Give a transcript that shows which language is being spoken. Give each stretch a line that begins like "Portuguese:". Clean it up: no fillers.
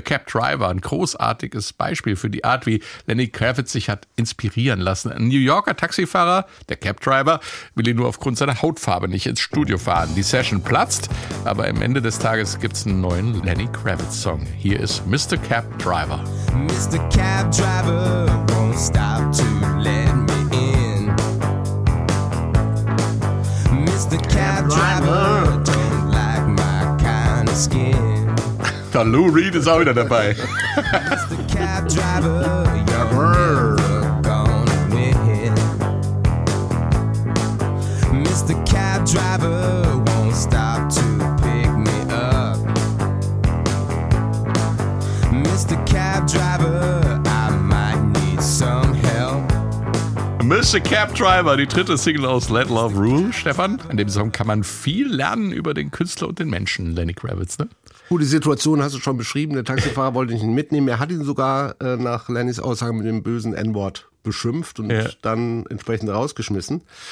German: Cab Driver ein großartiges Beispiel für die Art, wie Lenny Kravitz sich hat inspirieren lassen. Ein New Yorker Taxifahrer, der Cab Driver, will ihn nur aufgrund seiner Hautfarbe nicht ins Studio fahren. Die Session platzt, aber am Ende des Tages gibt's einen neuen Lenny Kravitz-Song. Hier ist Mr. Cab Driver.
English: Mr. Cab Driver won't stop to let me in. Mr. Cab Driver don't like my kind of skin.
German: Da Lou Reed ist auch wieder dabei.
English: Mr. Cab Driver, you're never gonna win. Mr. Cab Driver won't stop to pick me up. Mr. Cab Driver, I might need some help. Mr.
German: Cab Driver, die dritte Single aus Let Love Rule, Stefan. An dem Song kann man viel lernen über den Künstler und den Menschen, Lenny Kravitz, ne? Gut, die Situation hast du schon beschrieben. Der Taxifahrer wollte ihn mitnehmen. Er hat ihn sogar nach Lennys Aussage mit dem bösen N-Wort beschimpft und dann entsprechend rausgeschmissen.